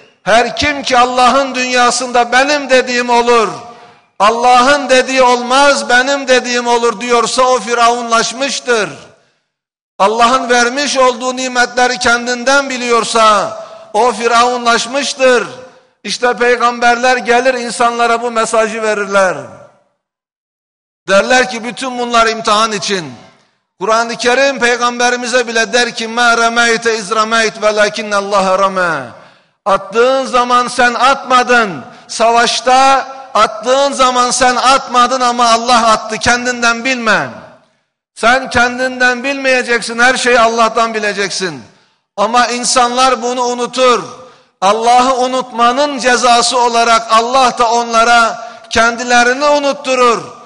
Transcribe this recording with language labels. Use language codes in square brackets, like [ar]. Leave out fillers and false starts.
[tr] Her kim ki Allah'ın dünyasında benim dediğim olur, Allah'ın dediği olmaz, benim dediğim olur diyorsa o firavunlaşmıştır. Allah'ın vermiş olduğu nimetleri kendinden biliyorsa o firavunlaşmıştır. İşte peygamberler gelir insanlara bu mesajı verirler. Derler ki bütün bunlar imtihan için. Kur'an-ı Kerim peygamberimize bile der ki [ar] مَا رَمَيْتَ اِذْ رَمَيْتَ وَلَكِنَّ اللّٰهَ رَمَى. [tr] Attığın zaman sen atmadın. Savaşta attığın zaman sen atmadın ama Allah attı. Kendinden bilme. Sen kendinden bilmeyeceksin. Her şeyi Allah'tan bileceksin. Ama insanlar bunu unutur. Allah'ı unutmanın cezası olarak Allah da onlara kendilerini unutturur.